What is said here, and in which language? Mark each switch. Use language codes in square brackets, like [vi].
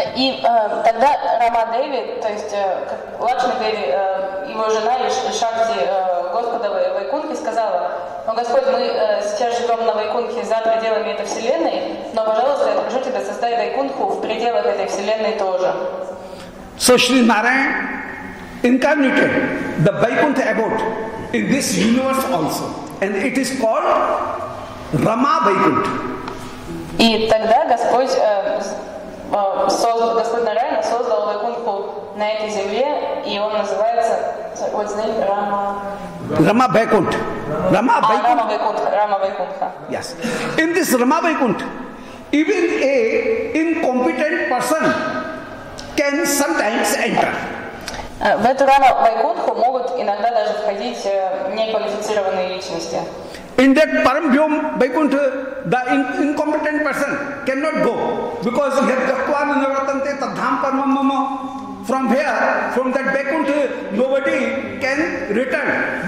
[ru] И тогда Рама Деви, то есть Лакшми Деви, его жена Шакти Господа Вайкунхи сказала: «О Господь, мы сейчас живем на Вайкунхе за пределами этой вселенной, но, пожалуйста, я прошу тебя создать Вайкунху в пределах этой вселенной тоже». [en] So Shri Narayan incarnated the Vaikuntha abode in this universe also, and it is called Rama Vaikuntha. [ru] И тогда Господь Нараяна создал Вайкунху на этой земле, и он называется, [en] what's name, [ru] Rama [en] Vaikuntha. Rama Vaikuntha. Rama Vaikuntha. Yes. In this Rama Vaikuntha, even a incompetent person can sometimes enter. [ru] В эту Рама Вайкунху могут иногда даже входить неквалифицированные личности. [en] In that Paramvyom Vaikuntha, the incompetent person cannot go, because he has Gatva Navratante Tadham Paramam Mama. From here, from that Vaikuntha, nobody can return.